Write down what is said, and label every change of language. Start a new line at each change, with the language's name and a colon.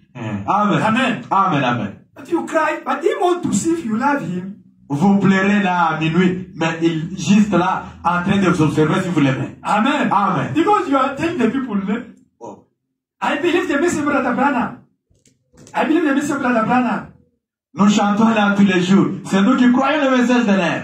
English: Amen. Amen. Amen. Amen. But you cry, but he wants to see if you love him.
French: Vous pleurez là à minuit, mais il juste là en train de vous observer si vous l'aimez. Amen. Amen.
English: Because you are telling the people, oh. I believe the message of Brother Branham. I believe the message of Brother Branham.
French: Nous chantons là tous les jours. C'est nous qui croyons le message de l'air.